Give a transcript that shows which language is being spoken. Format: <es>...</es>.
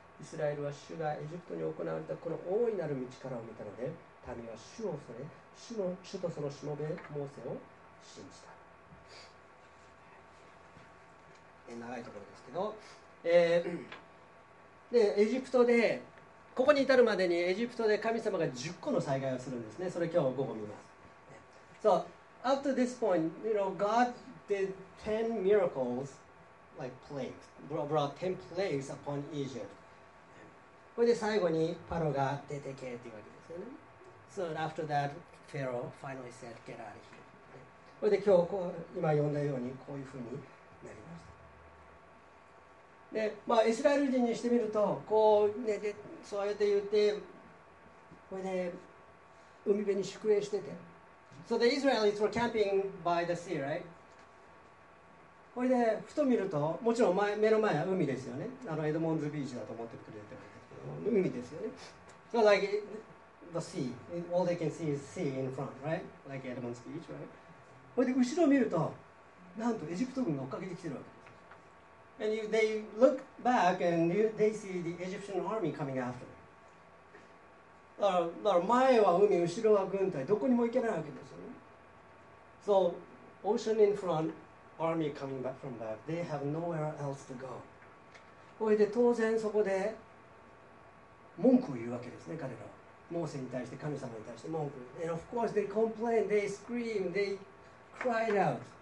<ja>イスラエルは主がエジプトに行われたこの大いなる道からを見たので、民は主を恐れ、主とそのしもべモーセを信じた。長いところですけど、でエジプトでここに至るまでにエジプトで神様が10個の災害をするんですね。それ今日午後見ます。</ja> <en>So after this point, you know, God did 10 miracles, like plagues, brought 10 plagues upon Egypt.</en> <ja>これで最後にパロが出てけっていうわけですよね。</ja> <en>So after that, Pharaoh finally said, "Get out of here."</en> <ja>これで今日今読んだようにこういうふうになりました。でまあ、イスラエル人にしてみるとこう、ね、でそうやって言ってこれで海辺に宿営してて、</ja> <en>So the Israelites were camping by the sea, right?</en> <ja>これでふと見るともちろん前目の前は海ですよね。あのエドモンズビーチだと思ってくれてるんですけど、海ですよね。</ja> <en>So like the sea, all they can see is sea in front, right? Like Edmonds Beach, right?</en> <ja>これで後ろを見るとなんとエジプト軍が追っかけてきてるわけ。</ja> <en>And you, they look back and you, they see the Egyptian army coming after them.</en> <ja>だから前は海、後ろは軍隊、どこにも行けないわけですよね。</ja> <en>So, ocean in front, army coming back from back, they have nowhere else to go.</en> <ja>それで当然そこで文句を言うわけですね、彼らは。モーセに対して、神様に対して文句。</ja> <en>And of course they complain, they scream, they cried out.</en>